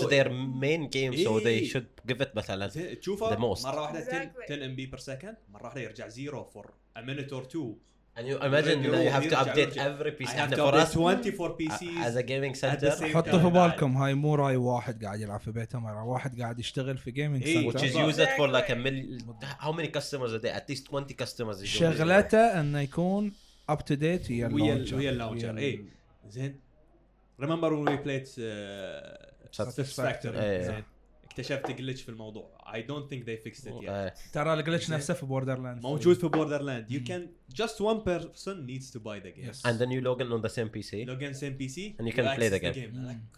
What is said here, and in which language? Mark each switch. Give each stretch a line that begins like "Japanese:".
English: It's their main game, so they should give it
Arabic: مثلا
English: the most.
Arabic: مرة واحدة 10 MB per second. مرة واحدة يرجع
English: zero for a minute or two. And you imagine that you have to update every PC. I have to update 24 PCs. As a gaming center.
Arabic: حطوا في بالكم هاي مو رأي واحد قاعد يلعب في بيته مرة. واحد قاعد يشتغل في gaming center.
English: Which is used for like a million. How many customers a day? At least 20 customers.
Arabic: شغلته أنه يكون
English: up to date
Arabic: هي اللونشر. هي اللونشر ايه زين.
English: remember when we played Satisfactory
Arabic: اكتشفت glitch في الموضوع.
English: I don't think they fixed it yet.
Arabic: ترى glitch نفسه في Borderlands موجود في Borderlands.
English: You can just one person needs to buy the game and then you log in on the same PC and you can play the game.